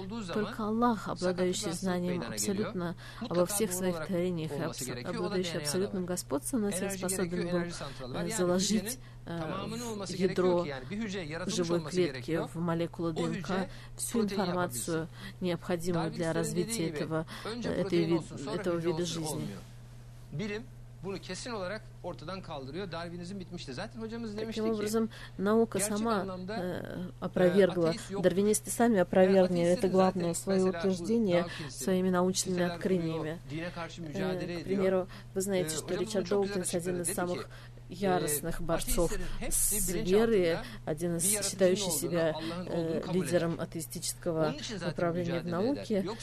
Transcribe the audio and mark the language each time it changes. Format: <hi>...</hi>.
<ru>Только Аллах, обладающий знанием абсолютно обо всех своих творениях, обладающий абсолютным господством, на себя способен был заложить ядро живой клетки в молекулу ДНК, всю информацию, необходимую для развития этого вида жизни.</ru> <tr>Bunu kesin olarak ortadan kaldırıyor. Darwinizm bitmişti. Zaten hocamız demişti</tr> <ru>ki. Таким образом, наука сама опровергла. Дарвинисты сами опровергли это главное свое утверждение своими научными открытиями.</ru> <tr>Дине карşı mücadele ediyor.</tr> <ru>К примеру, вы знаете, что Ричард Доукинс один из самых яростных борцов с верой, один из считающих себя лидером атеистического направления в науке.</ru>